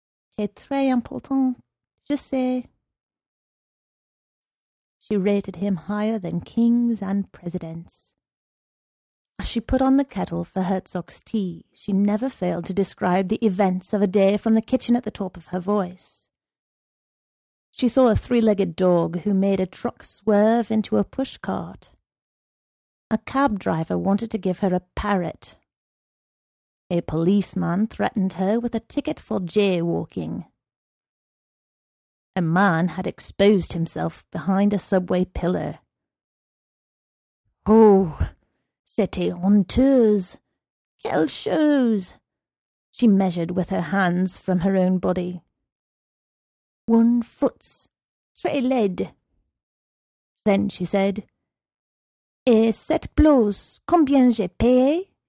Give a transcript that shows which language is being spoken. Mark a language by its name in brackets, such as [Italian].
[French] C'est très important, je sais. [English] She rated him higher than kings and presidents. As she put on the kettle for Herzog's tea, she never failed to describe the events of a day from the kitchen at the top of her voice. She saw a three-legged dog who made a truck swerve into a pushcart. A cab driver wanted to give her a parrot. A policeman threatened her with a ticket for jaywalking. A man had exposed himself behind a subway pillar. Oh, [French] c'était honteuse. Quelle chose. [English] She measured with her hands from her own body. 1 foot's [French] très laide. [English] Then she said, [French] Et cette blouse, combien j'ai payé?